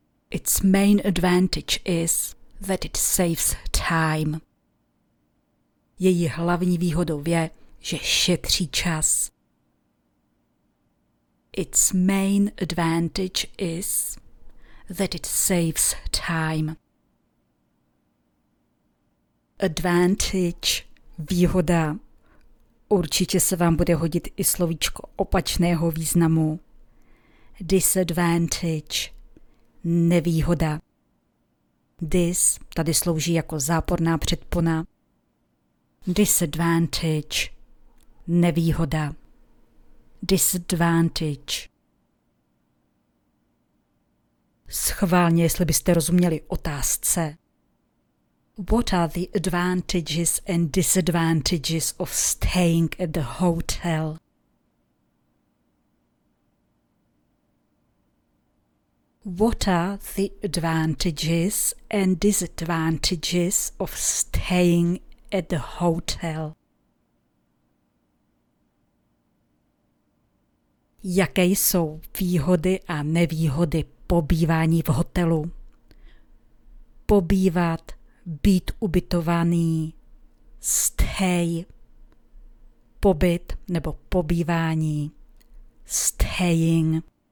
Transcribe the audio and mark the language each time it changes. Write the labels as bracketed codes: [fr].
[en] Its main advantage is that it saves time. [cs] Její hlavní výhodou je, že šetří čas. [en] Its main advantage is that it saves time. [cs] Advantage, výhoda. Určitě se vám bude hodit i slovíčko opačného významu. Disadvantage, nevýhoda. Dis tady slouží jako záporná předpona. Disadvantage, nevýhoda. [en] Disadvantage. [cs] Schválně, jestli byste rozuměli otázce. [en] What are the advantages and disadvantages of staying at the hotel? What are the advantages and disadvantages of staying at the hotel? [cs] Jaké jsou výhody a nevýhody pobývání v hotelu? Pobývat, být ubytovaný, stay, pobyt nebo pobývání, staying.